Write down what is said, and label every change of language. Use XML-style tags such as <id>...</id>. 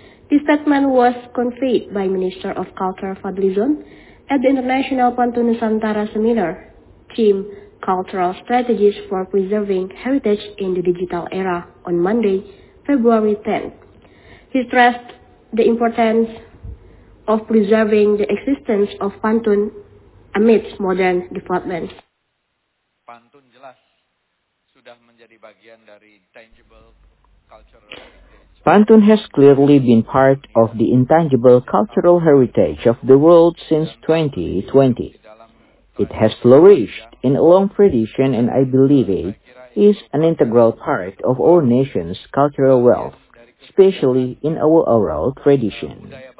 <en>This statement was conveyed by Minister of Culture Fadlizon at the International Pantun Nusantara Seminar, Team Cultural Strategies for Preserving Heritage in the Digital Era, on Monday, February 10th. He stressed the importance of preserving the existence of Pantun amidst modern developments.</en> <id>Pantun jelas sudah menjadi bagian dari</id> <en>tangible cultural. Pantun has clearly been part of the intangible cultural heritage of the world since 2020. It has flourished in a long tradition, and I believe it is an integral part of our nation's cultural wealth, especially in our oral tradition.</en>